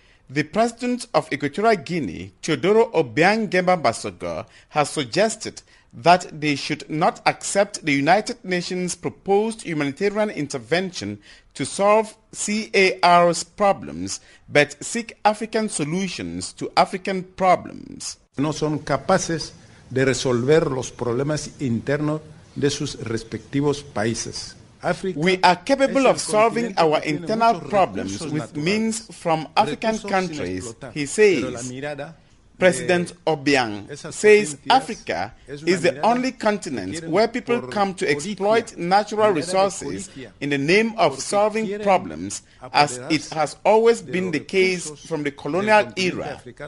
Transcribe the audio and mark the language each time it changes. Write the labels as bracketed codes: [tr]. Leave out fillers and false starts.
[en] The president of Equatorial Guinea, Teodoro Obiang Nguema Mbasogo, has suggested that they should not accept the United Nations' proposed humanitarian intervention to solve CAR's problems, but seek African solutions to African problems. [es] No son capaces de resolver los problemas internos de sus respectivos países. [en] We are capable of solving our internal problems with means from African countries, he says. President Obiang says Africa is the only continent where people come to exploit natural resources in the name of solving problems, as it has always been the case from the colonial era.